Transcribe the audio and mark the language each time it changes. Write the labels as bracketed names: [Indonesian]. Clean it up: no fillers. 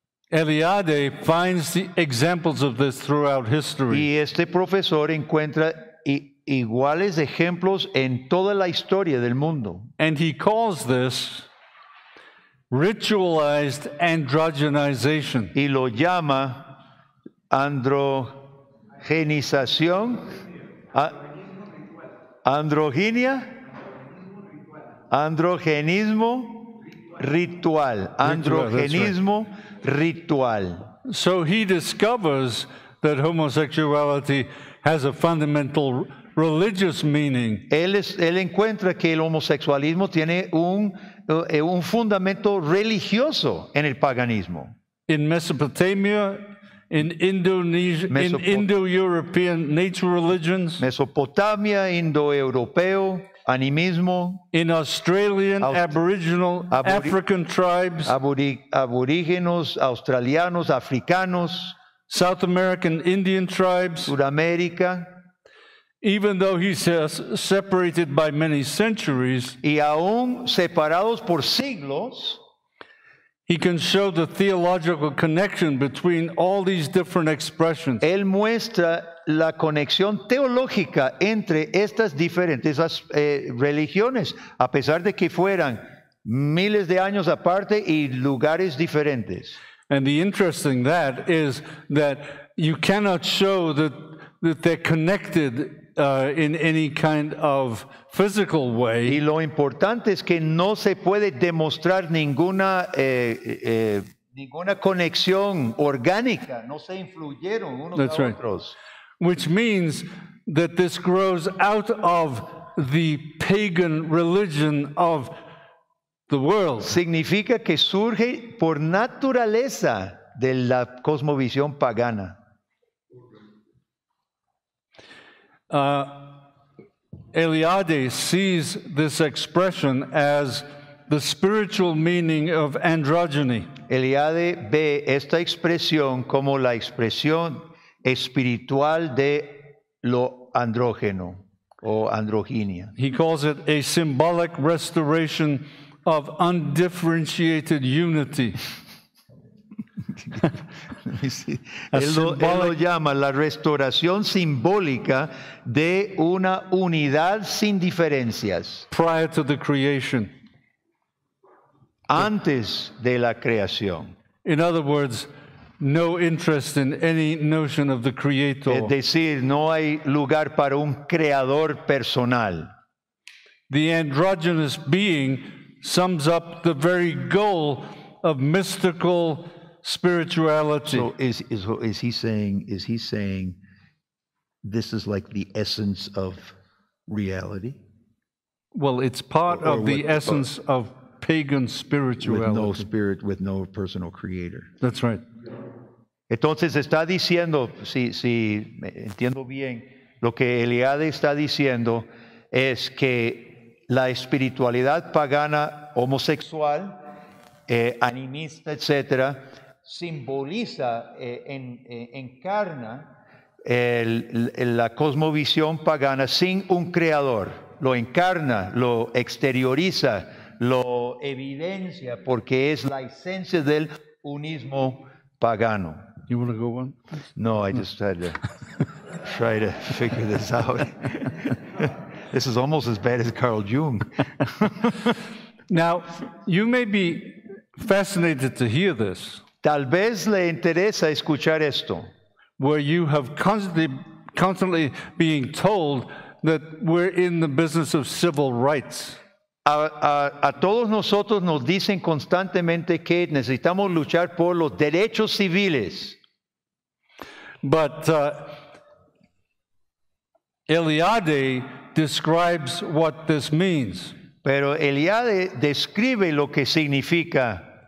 [English] Eliade finds the examples of this throughout history. [Spanish] Y este profesor encuentra iguales ejemplos en toda la historia del mundo. [English] And he calls this ritualized androgenization. [Spanish] Y lo llama androgenización. Androgenismo ritual. [English] So he discovers that homosexuality has a fundamental religious meaning. [Spanish] Él encuentra que el homosexualismo tiene un fundamento religioso en el paganismo. [English] In Mesopotamia, in Indo-European nature religions. [Spanish] Mesopotamia, Indo-Europeo, animismo. [English] In Australian, Aboriginal, African tribes. [Spanish] Aborígenos, australianos, africanos. [English] South American Indian tribes. [Spanish] Sudamérica. [English] Even though he says separated by many centuries. [Spanish] Y aún separados por siglos. [English] He can show the theological connection between all these different expressions. [Spanish] Él muestra la conexión teológica entre estas diferentes religiones, a pesar de que fueran miles de años aparte y lugares diferentes. [English] And the interesting that is that you cannot show that they're connected in any kind of physical way. [Spanish] Y lo importante es que no se puede demostrar ninguna conexión orgánica. No se influyeron unos [English] That's a right. [Spanish] otros. [English] Which means that this grows out of the pagan religion of the world. [Spanish] Significa que surge por naturaleza de la cosmovisión pagana. [English] Eliade sees this expression as the spiritual meaning of androgyny. [Spanish] Eliade ve esta expresión como la expresión espiritual de lo andrógeno o androginia. [English] He calls it a symbolic restoration of undifferentiated unity. [Spanish] Él lo llama la restauración simbólica de una unidad sin diferencias. [English] Prior to the creation. [Spanish] Antes de la creación. [English] In other words, no interest in any notion of the creator. [Spanish] Es decir, no hay lugar para un creador personal. [English] The androgynous being sums up the very goal of mystical spirituality. So is he saying this is like the essence of reality? Well, it's part of the essence of pagan spirituality. With no spirit, with no personal creator. That's right. [Spanish] Entonces está diciendo, si entiendo bien, lo que Eliade está diciendo es que la espiritualidad pagana, homosexual, animista, etcétera, simboliza, encarna la cosmovisión pagana sin un creador. Lo encarna, lo exterioriza, lo evidencia, porque es la esencia del unismo pagano. [English] You want to go on? No, I just had to try to figure this out. This is almost as bad as Carl Jung. Now, you may be fascinated to hear this. [Spanish] Tal vez le interesa escuchar esto. [English] Where you have constantly being told that we're in the business of civil rights. [Spanish] A todos nosotros nos dicen constantemente que necesitamos luchar por los derechos civiles. [English] But Eliade describes what this means. [Spanish] Pero Eliade describe lo que significa.